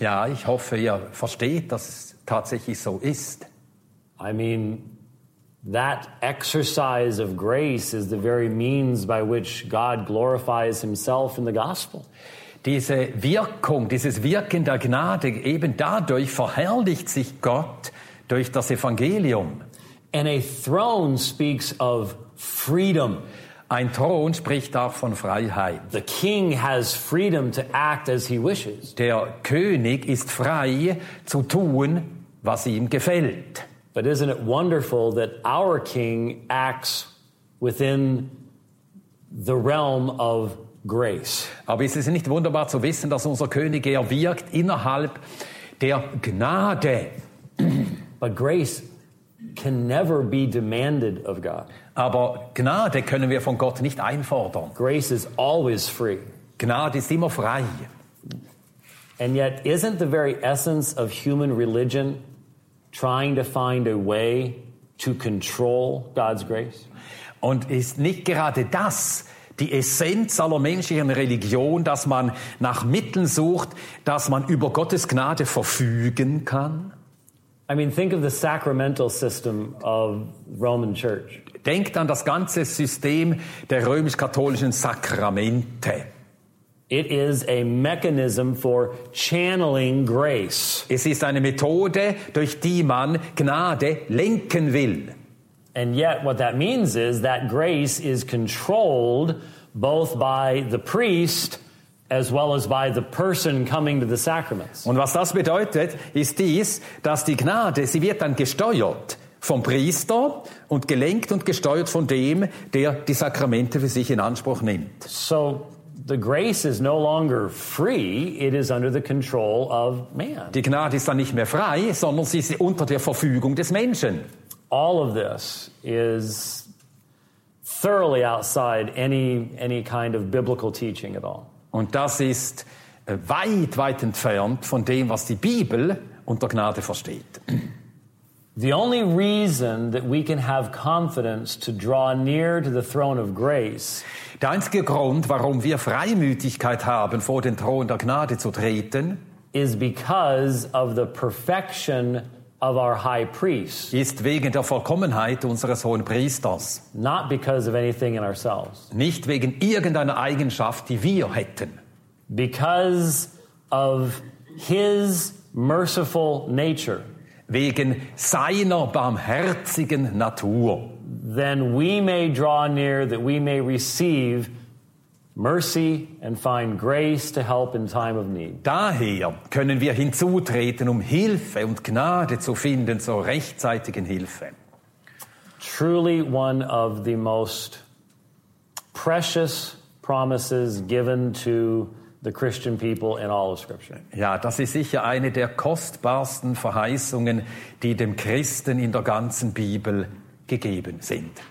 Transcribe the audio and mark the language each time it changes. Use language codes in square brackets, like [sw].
[de] Ja, ich hoffe, ihr versteht, dass es tatsächlich so ist. [en] I mean, that exercise of grace is the very means by which God glorifies himself in the gospel. [de] Diese Wirkung, dieses Wirken der Gnade, eben dadurch verherrlicht sich Gott durch das Evangelium. [en] And a throne speaks of freedom. [de] Ein Thron spricht auch von Freiheit. [en] The king has freedom to act as he wishes. [de] Der König ist frei zu tun, was ihm gefällt. [en] But isn't it wonderful that our king acts within the realm of grace? [de] Aber ist es nicht wunderbar zu wissen, dass unser König er wirkt innerhalb der Gnade? [en] But grace can never be demanded of God. [de] Aber Gnade können wir von Gott nicht einfordern. [en] Grace is always free. [de] Gnade ist immer frei. [en] And yet, isn't the very essence of human religion trying to find a way to control God's grace? [de] Und ist nicht gerade das die Essenz aller menschlichen Religion, dass man nach Mitteln sucht, dass man über Gottes Gnade verfügen kann? [en] I mean, think of the sacramental system of Roman Church. [de] Denkt an das ganze System der römisch-katholischen Sakramente. [en] It is a mechanism for channeling grace. [de] Es ist eine Methode, durch die man Gnade lenken will. [en] And yet what that means is that grace is controlled both by the priest as well as by the person coming to the sacraments. [de] Und was das bedeutet, ist dies, dass die Gnade, sie wird dann gesteuert vom Priester und gelenkt und gesteuert von dem, der die Sakramente für sich in Anspruch nimmt. [en] So the grace is no longer free, it is under the control of man. [de] Die Gnade ist dann nicht mehr frei, sondern sie ist unter der Verfügung des Menschen. [en] All of this is thoroughly outside any kind of biblical teaching at all. [de] Und das ist weit, weit entfernt von dem, was die Bibel unter Gnade versteht. [en] The only reason that we can have confidence to draw near to the throne of grace, [de] der einzige Grund, warum wir Freimütigkeit haben, vor den Thron der Gnade zu treten, [en] is because of the perfection of our high priest, [de] ist wegen der Vollkommenheit unseres hohen Priesters, [en] not because of anything in ourselves, [de] nicht wegen irgendeiner Eigenschaft, die wir hätten, [en] because of his merciful nature, [de] wegen seiner barmherzigen Natur, [en] then we may draw near that we may receive mercy and find grace to help in time of need. [de] Daher können wir hinzutreten, um Hilfe und Gnade zu finden zur rechtzeitigen Hilfe. [en] Truly one of the most precious promises given to the Christian people in all of Scripture. [de] Ja, das ist sicher eine der kostbarsten Verheißungen, die dem Christen in der ganzen Bibel gegeben sind.